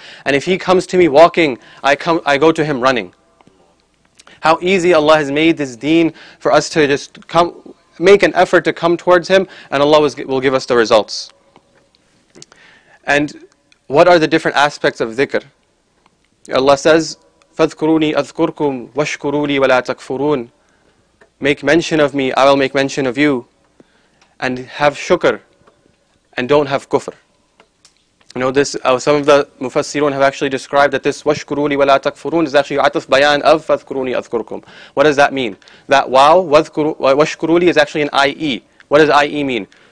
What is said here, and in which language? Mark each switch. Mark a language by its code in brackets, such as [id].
[en] And if he comes to me walking, I go to him running. How easy Allah has made this deen for us to just come, make an effort to come towards him, and Allah will give us the results. And what are the different aspects of dhikr? Allah says, [ar] فَذْكُرُونِي أَذْكُرْكُمْ وَشْكُرُونِي وَلَا تَكْفُرُونَ. [en] Make mention of me, I will make mention of you. And have shukr, and don't have kufr. You know, some of the mufassirun have actually described that this washkuruni wala takfurun is actually ataf bayan of fadhkuruni adhkurkum. What does that mean? That wow, washkuruni is actually an IE. What does IE mean?